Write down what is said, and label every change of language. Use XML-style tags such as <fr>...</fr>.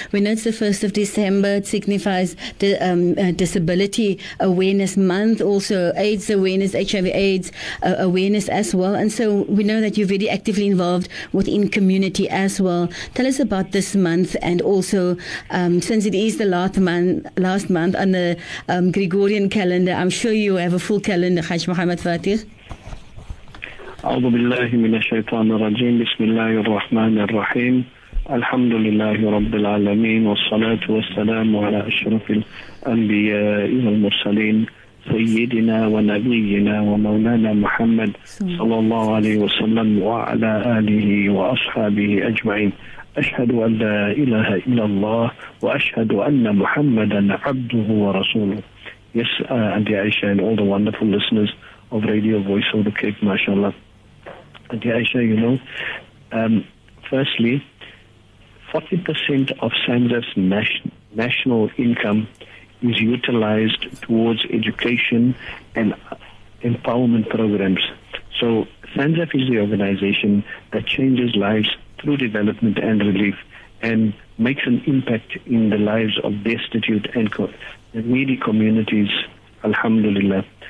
<en>We know it's the 1st of December. It signifies the Disability Awareness Month, also AIDS awareness, HIV/AIDS awareness as well. And so we know that you're very actively involved within community as well. Tell us about this month, and also since it is the last month on the Gregorian calendar, I'm sure you have a full calendar, Haj Mogamat Fathie.</en> <ar>أعوذ بالله من الشيطان الرجيم بسم الله الرحمن الرحيم الحمد لله رب العالمين والصلاة والسلام على أشرف الأنبياء والمرسلين سيدنا ونبينا ومولانا محمد صلى الله عليه وسلم وعلى آله وأصحابه أجمعين أشهد أن لا إله إلا الله وأشهد أن محمدا عبده ورسوله يسعى أن يعيش</ar> <en>and all the wonderful listeners of Radio Voice of the Cape, mashallah. And Aisha, you know, firstly, 40% of Sanzaf's national income is utilized towards education and empowerment programs. So Sanzaf is the organization that changes lives through development and relief and makes an impact in the lives of destitute and needy communities, alhamdulillah.</en>